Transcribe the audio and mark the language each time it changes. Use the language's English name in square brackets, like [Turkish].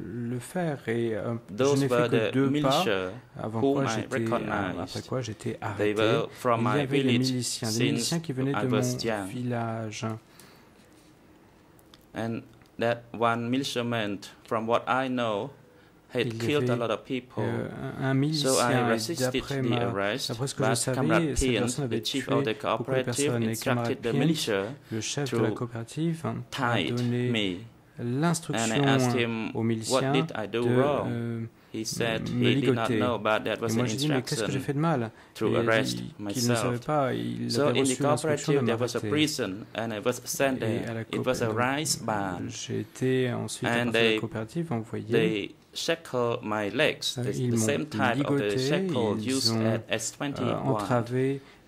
[French] le faire et je n'ai fait que deux pas avant quoi j'étais arrêté. Il y avait des miliciens qui venaient de mon village. [English] And that one militiaman, from what I know, had killed a lot of people. [French] Un milicien, d'après ma, d'après ce que je savais, cette personne avait tué beaucoup de personnes. Et Camarade Pien, le chef de la coopérative, a donné l'instruction au milicien de me ligoter. Et moi, j'ai dit, mais qu'est-ce que j'ai fait de mal? Et qu'il ne savait pas, il avait reçu l'instruction de m'arrêter. Et à la coopérative, j'ai été ensuite, à partir de la coopérative, envoyé. [English] Shackle my legs. It's the same type of the shackle used at S21.